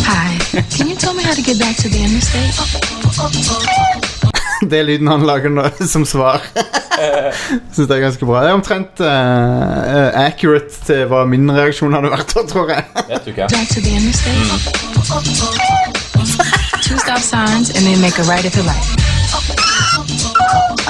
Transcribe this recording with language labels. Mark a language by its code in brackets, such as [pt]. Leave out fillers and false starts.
[en] Hi, can you tell me how to get back to the interstate? [no] Det er lyden han lager nå som svar. Synes det er ganske bra. Det er omtrent accurate til hva min reaksjon hadde vært, tror jeg. Vet du ikke. [en] Back to the interstate. Two stop signs and then make a right at the light.